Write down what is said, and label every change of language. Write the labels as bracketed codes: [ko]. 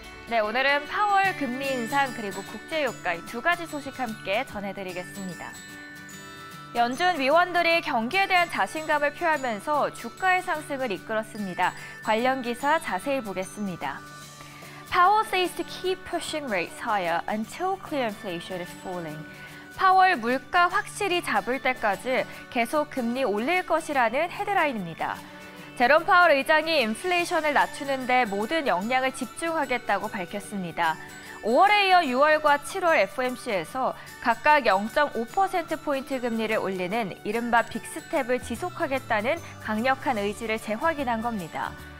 [ko] 네, 오늘은 파월 금리 인상 그리고 국제유가 이 두 가지 소식 함께 전해드리겠습니다. 연준 위원들이 경기에 대한 자신감을 표하면서 주가의 상승을 이끌었습니다. 관련 기사 자세히 보겠습니다. [en] Powell says to keep pushing rates higher until clear inflation is falling. [ko] 파월 물가 확실히 잡을 때까지 계속 금리 올릴 것이라는 헤드라인입니다. 제롬 파월 의장이 인플레이션을 낮추는 데 모든 역량을 집중하겠다고 밝혔습니다. 5월에 이어 6월과 7월 FOMC에서 각각 0.5%포인트 금리를 올리는 이른바 빅스텝을 지속하겠다는 강력한 의지를 재확인한 겁니다.